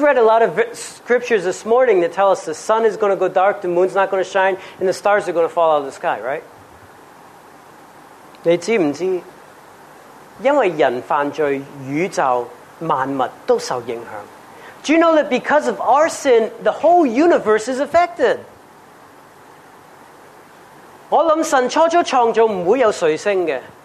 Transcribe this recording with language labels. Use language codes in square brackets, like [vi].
[en] read a lot of scriptures this morning that tell us the sun is going to go dark, the moon's not going to shine, and the stars are going to fall out of the sky, right? [zh] 你知不知? 因为人犯罪,宇宙,万物都受影响。 [en] Do you know that because of our sin, the whole universe is affected? [zh] 我想神初初创造不会有谁升的。